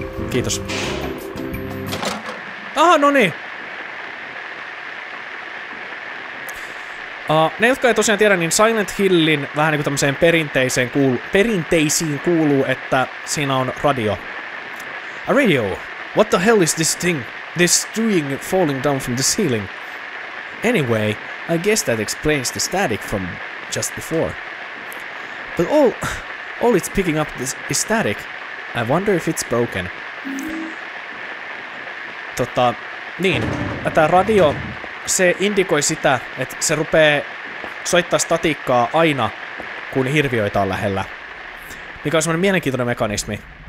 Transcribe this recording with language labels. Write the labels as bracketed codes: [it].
[fi] Kiitos. Aha, no niin. Ne, jotka ei tosiaan tiedä, niin Silent Hillin vähän niin kuin tämmöiseen perinteisiin kuuluu, että siinä on radio. [en] A radio! What the hell is this thing, this doing falling down from the ceiling? Anyway, I guess that explains the static from just before. But all it's picking up is static. I wonder if it's broken. [fi] Tota, niin, tää radio, se indikoi sitä, että se rupee soittaa statiikkaa aina, kun hirviöitä on lähellä. Mikä on semmonen mielenkiintoinen mekanismi.